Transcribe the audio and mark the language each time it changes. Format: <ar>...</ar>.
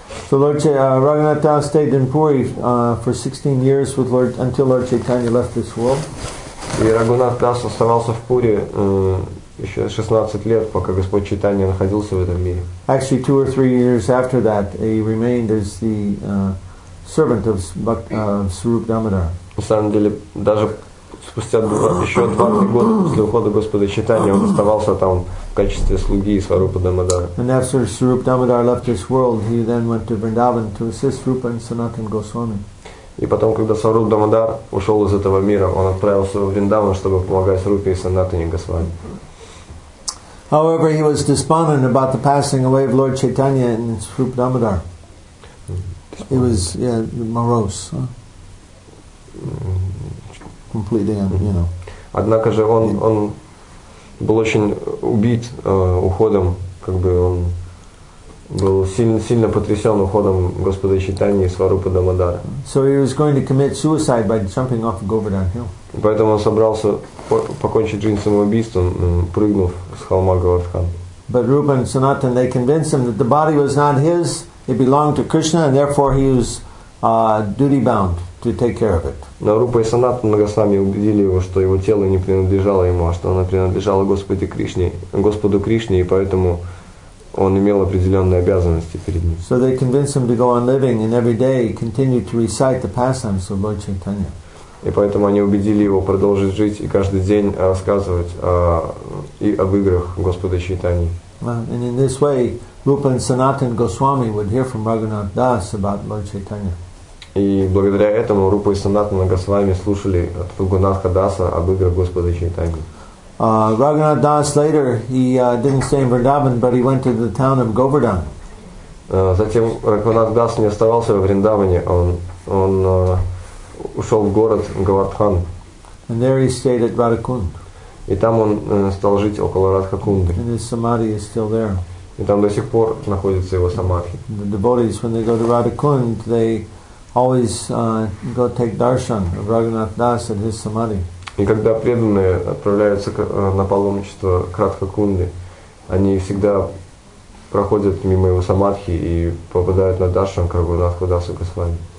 <en>So Lord Raghunath Das stayed in Puri for 16 years with Lord until Lord Chaitanya left this world.</en> <ru>И Рагунат Дас оставался в Пури еще 16 лет, пока Господь Чайтанья находился в этом мире.</ru> <en>Actually, 2 or 3 years after that, he remained as the servant of Swarup Damodar.</en> <ru>На самом деле, даже спустя еще 20 года после ухода Господа Чайтанья, он оставался там в качестве слуги Сварупа Дамодара.</ru> <en>And after Swarup Damodar left this world, he then went to Vrindavan to assist Rupa and Sanatan Goswami.</en> <ru>И потом, когда Сваруп Дамодар ушел из этого мира, он отправился в Вриндаван, чтобы помогать Рупе и Санатане Госвами.</ru> <en>However, he was despondent about the passing away of Lord Chaitanya and Sruup Damodar. He was morose. Completely, you know.</en> <ru>Однако же он был очень убит уходом, как бы он был сильно потрясен уходом Господа Чайтаньи и Сварупа Дамодара.</ru> <en>So he was going to commit suicide by jumping off Govardhan Hill.</en> <ru>Поэтому он собрался покончить жизнь самоубийством, прыгнув с холма Говардхан.</ru> <en>But Rupa and Sanatan, they convinced him that the body was not his, it belonged to Krishna, and therefore he was duty-bound to take care of it.</en> <ru>Но Рупа и Санатана Госвами убедили его, что его тело не принадлежало ему, а что оно принадлежало Господу Кришне, и поэтому он имел определенные обязанности перед ним.</ru> <en>So they convinced him to go on living and every day continue to recite the pastimes of Lord Chaitanya.</en> <ru>И поэтому они убедили его продолжить жить и каждый день рассказывать об играх Господа Чайтаньи.</ru> <en>And in this way, Rupa and Sanatan Goswami would hear from Raghunath Das about Lord Chaitanya.</en> <ru>И благодаря этому Рупа и Санатана Госвами слушали от Рагунатха Даса об играх Господа Чайтаньи.</ru> <en>Raghunath Das later, he didn't stay in Vrindavan, but he went to the town of Govardhan.</en> <ru>Затем Raghunath Das не оставался в Вриндаване, он ушел в город Говардхан.</ru> <en>And there he stayed at Radhakund.</en> <ru>И там он стал жить около Радхакунды.</ru> <en>And his samadhi is still there.</en> <ru>И там до сих пор находится его самадхи.</ru> <en>The devotees, when they go to Radhakund, they always go take darshan of Raghunath Das at his samadhi.</en> <ru>И когда преданные отправляются на паломничество к Радхакунде, они всегда проходят мимо его самадхи и попадают на даршан к Рагунатху Дасу Госвами.</ru>